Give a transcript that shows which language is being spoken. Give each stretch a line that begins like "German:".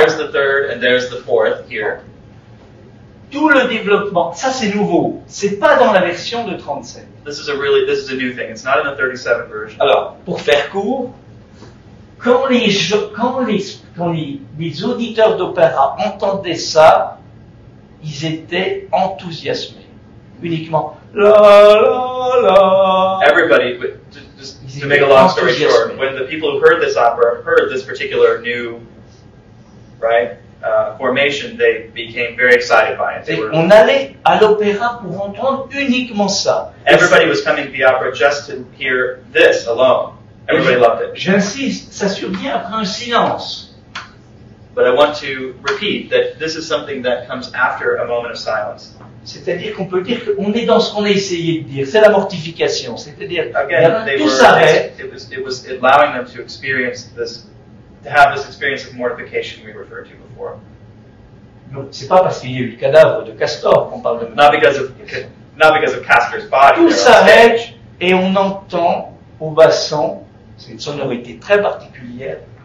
English: There's the third and there's the fourth here.
French: Tout le développement, ça, c'est nouveau. C'est pas dans la version de 37.
English: This is a new thing. It's not in the 37 version.
French: Alors, pour faire court, quand les auditeurs d'opéra entendaient ça, ils étaient enthousiasmés. Uniquement. La, la, la.
English: Everybody, just to make a long story short, when the people who heard this opera heard this particular new formation, they became very excited by it.
French: On allait à l'opéra pour entendre uniquement ça.
English: Everybody was coming to the opera just to hear this alone. Everybody loved it.
French: J'insiste, ça survient après un silence.
English: But I want to repeat that this is something that comes after a moment of silence.
French: C'est-à-dire qu'on peut dire qu'on est dans ce qu'on a essayé de dire. C'est la mortification. C'est-à-dire tout s'arrête.
English: It was allowing them to experience this, to have this experience of mortification we referred to before.
French: Non, c'est pas parce qu'il y a eu le cadavre de Castor qu'on parle de
English: mortification. Not because of Castor's body.
French: Tout s'arrête et on entend au basson, c'est une sonorité très particulière.